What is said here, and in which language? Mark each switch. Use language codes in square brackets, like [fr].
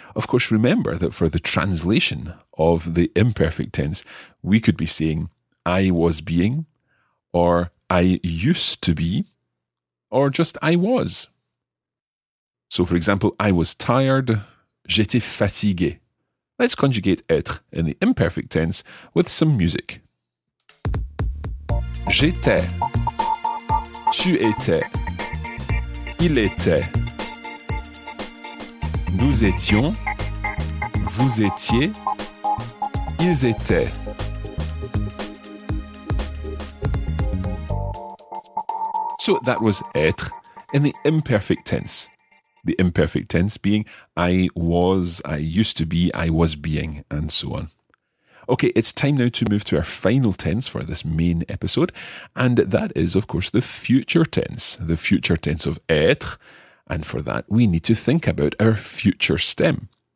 [en] Of course, remember that for the translation of the imperfect tense, we could be saying, I was being, or I used to be, or just I was. So, for example, I was tired, [fr] j'étais fatigué. [en] Let's conjugate être in the imperfect tense with some music. [fr] J'étais. Tu étais, il était, nous étions, vous étiez, ils étaient. [en] So that was être in the imperfect tense. The imperfect tense being I was, I used to be, I was being, and so on. Okay, it's time now to move to our final tense for this main episode, and that is, of course, the future tense of être, and for that, we need to think about our future stem.